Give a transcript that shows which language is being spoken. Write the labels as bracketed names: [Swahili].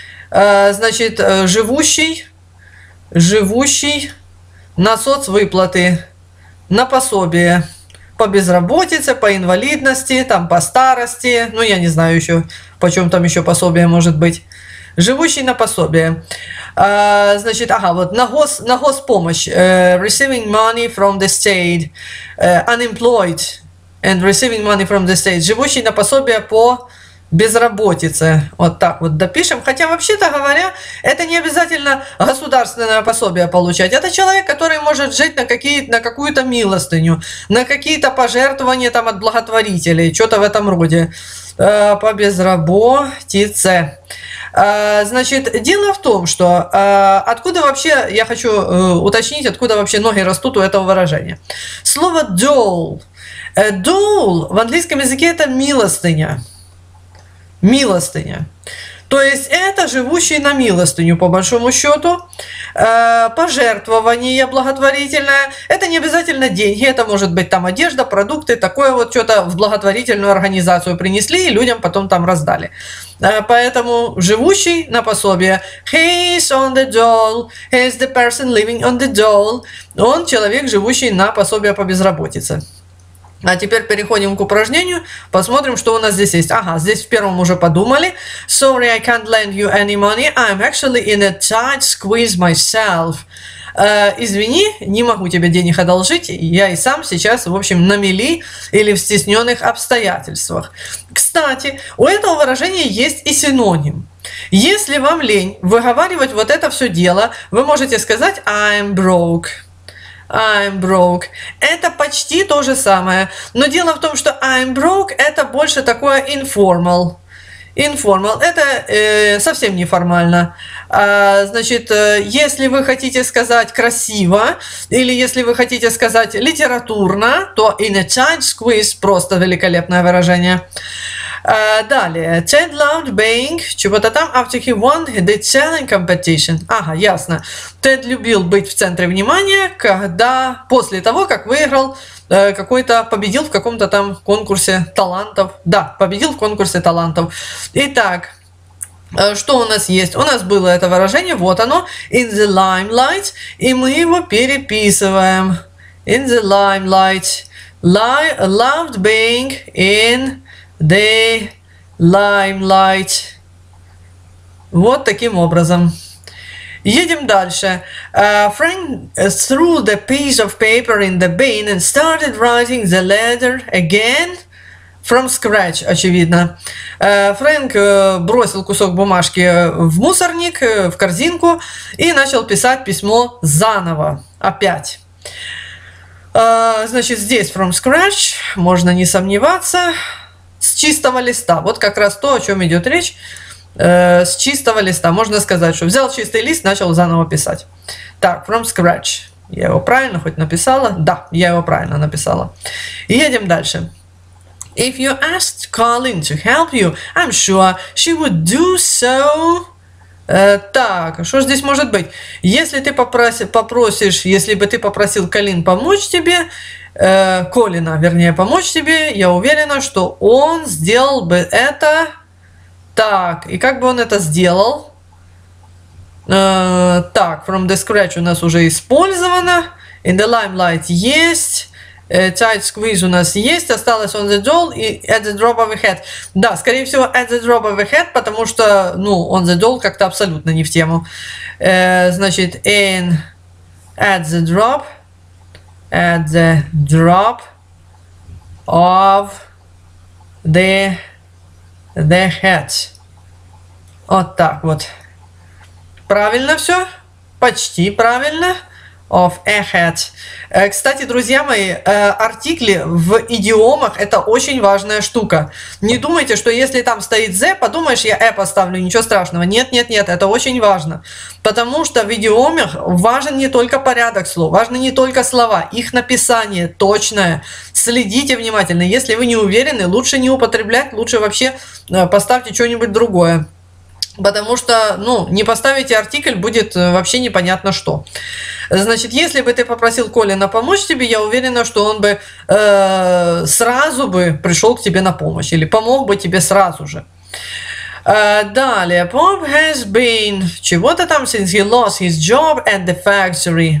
[Russian] Значит, живущий на соцвыплаты, на пособие. По безработице, по инвалидности, там, по старости, ну, я не знаю еще, по чем там еще пособие может быть. Живущий на пособие. Значит, ага, вот на госпомощь. [English] Receiving money from the state. Unemployed. And receiving money from the state. [Russian] Живущий на пособие по безработице. Вот так вот допишем. Хотя, вообще-то говоря, это не обязательно государственное пособие получать. Это человек, который может жить на какую-то милостыню, на какие-то пожертвования там от благотворителей, что-то в этом роде. По безработице. Значит, дело в том, что откуда вообще, я хочу уточнить, откуда вообще ноги растут у этого выражения. Слово dole. Dole в английском языке это милостыня. Милостыня. То есть это живущий на милостыню, по большому счету. Пожертвование благотворительное. Это не обязательно деньги, это может быть там одежда, продукты, такое вот что-то в благотворительную организацию принесли и людям потом там раздали. Поэтому живущий на пособие. [English] He is on the dole. He is the person living on the dole. [Russian] Он человек, живущий на пособие по безработице. А теперь переходим к упражнению. Посмотрим, что у нас здесь есть. Ага, здесь в первом уже подумали. [English] Sorry, I can't lend you any money. I'm actually in a tight squeeze myself. [Russian] Извини, не могу тебе денег одолжить. Я и сам сейчас, в общем, на мели или в стесненных обстоятельствах. Кстати, у этого выражения есть и синоним. Если вам лень выговаривать вот это все дело, вы можете сказать [English] I'm broke. I'm broke. [Russian] Это почти то же самое. Но дело в том, что [English] I'm broke [Russian] – это больше такое informal. Informal – это совсем неформально. Значит, если вы хотите сказать красиво, или если вы хотите сказать литературно, то [English] in a tight squeeze [Russian] – просто великолепное выражение. Далее. [English] Ted loved being, [Russian] чего-то там, [English] after he won the talent competition. [Russian] Ага, ясно. Тед любил быть в центре внимания, когда после того, как выиграл какой-то, победил в каком-то там конкурсе талантов. Да, победил в конкурсе талантов. Итак, что у нас есть? У нас было это выражение, вот оно, [English] in the limelight, [Russian] и мы его переписываем. [English] In the limelight. Loved being in the limelight. [Russian] Вот таким образом. Едем дальше. [English] Frank threw the piece of paper in the bin and started writing the letter again from scratch, [Russian] очевидно. Фрэнк бросил кусок бумажки в мусорник, в корзинку, и начал писать письмо заново, опять. Значит, здесь [English] from scratch, [Russian] можно не сомневаться, с чистого листа. Вот как раз то, о чем идет речь. С чистого листа. Можно сказать, что взял чистый лист, начал заново писать. Так, [English] from scratch. [Russian] Я его правильно хоть написала? Да, я его правильно написала. Едем дальше. [English] If you asked Colleen to help you, I'm sure she would do so. [Russian] Так, что здесь может быть? Если ты попросишь, если бы ты попросил Колин помочь тебе, Колина, вернее, помочь тебе, я уверена, что он сделал бы это. Так, и как бы он это сделал? Так, [English] from the scratch [Russian] у нас уже использовано. [English] In the limelight [Russian] есть. [English] Tight squeeze [Russian] у нас есть. Осталось [English] on the doll и at the drop of a hat. [Russian] Да, скорее всего, [English] at the drop of a hat, [Russian] потому что, ну, [English] on the doll [Russian] как-то абсолютно не в тему. Значит, [English] in at the drop. At the drop of the the hat. [Russian] Вот так вот. Правильно все? Почти правильно. [English] Of a hat. [Russian] Кстати, друзья мои, артикли в идиомах – это очень важная штука. Не думайте, что если там стоит the, подумаешь, я e поставлю, ничего страшного. Нет, нет, нет, это очень важно. Потому что в идиомах важен не только порядок слов, важны не только слова, их написание точное. Следите внимательно. Если вы не уверены, лучше не употреблять, лучше вообще поставьте что-нибудь другое. Потому что, ну, не поставите артикль, будет вообще непонятно что. Значит, если бы ты попросил Колина помочь тебе, я уверена, что он бы сразу бы пришел к тебе на помощь или помог бы тебе сразу же. Далее. [English] Bob has been [Russian] чего-то там [English] since he lost his job at the factory.